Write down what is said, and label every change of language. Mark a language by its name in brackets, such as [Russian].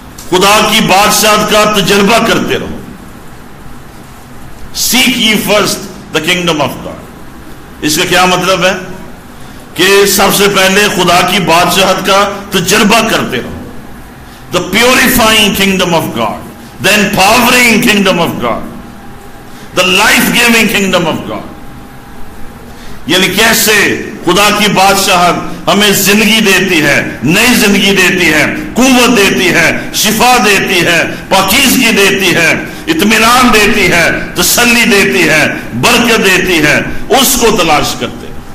[Urdu] خدا کی بادشاہت کا تجربہ کرتے رہو. [English] seek ye first the kingdom of God, [Urdu] اس کا کیا مطلب ہے؟ کہ سب سے پہلے خدا کی بادشاہت کا تجربہ کرتے رہو. [English] The purifying kingdom of God, the empowering kingdom of God, the life giving kingdom of God. [Urdu] یعنی کیسے خدا کی بادشاہت ہمیں زندگی دیتی ہے, نئی زندگی دیتی ہے, قوت دیتی ہے, شفا دیتی ہے, پاکیزگی دیتی ہے, اطمینان دیتی ہے, تسلی دیتی ہے, برکت دیتی ہے, اس کو تلاش کرتے.